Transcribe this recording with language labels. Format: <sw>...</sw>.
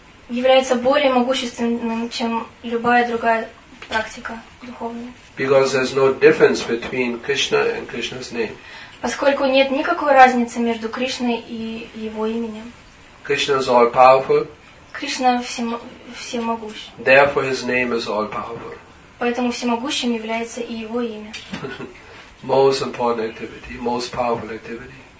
<ru>Является более могущественным, чем любая другая практика духовная.</ru> <en>Because there's no difference between Krishna and Krishna's name.</en> <ru>Поскольку нет никакой разницы между Кришной и его именем.</ru> <en>Krishna is all powerful.</en> <ru>Кришна всемогущ.</ru> <en>Therefore his name is all powerful.</en> <ru>Поэтому всемогущим является и его имя.</ru> <en>Most important activity, most powerful activity.</en>